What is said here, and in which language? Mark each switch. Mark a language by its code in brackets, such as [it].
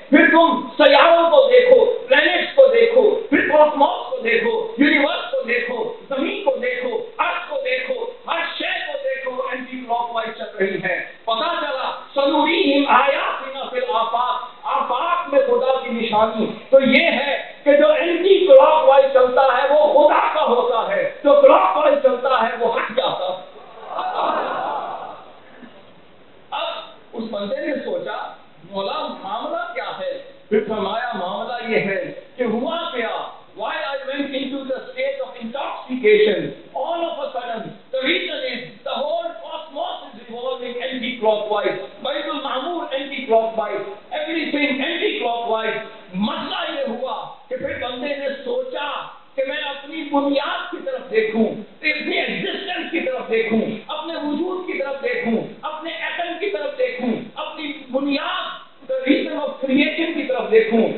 [ur] پھر تم سیاروں کو دیکھو, پلینٹس کو دیکھو, پھر کاسموس کو دیکھو, یونیورس کو دیکھو, زمین کو دیکھو, عرش کو دیکھو, ہر شے کو دیکھو, اینٹی کلاک وائز چل رہی ہے. پتا چلا [ar] سنوریہم آیاتنا فی الآفاق, [ur] آفاق میں خدا کی نشانی. تو یہ ہے کہ جو اینٹی کلاک وائز چلتا ہے وہ خدا کا ہوتا ہے, جو کلاک وائز چلتا ہے وہ ہٹ جاتا. اب اس بندے نے سوچا مولا معاملہ کیا ہے, پھر فرمایا معاملہ یہ ہے کہ ہوا کیا, [en] why I went into the state of intoxication all of a sudden, the reason is the whole cosmos is revolving anti-clockwise, Bait al-Ma'mur anti-clockwise, everything anti-clockwise. [ur] مسئلہ یہ ہوا کہ پھر بندے نے سوچا کہ میں اپنی بنیاد کی طرف دیکھوں, اپنی ایگزسٹنس کی طرف دیکھوں, اپنے وجود کی طرف دیکھوں, اپنے ایٹم کی طرف دیکھوں, اپنی بنیاد [en] the reason of creation [ur] کی طرف دیکھوں.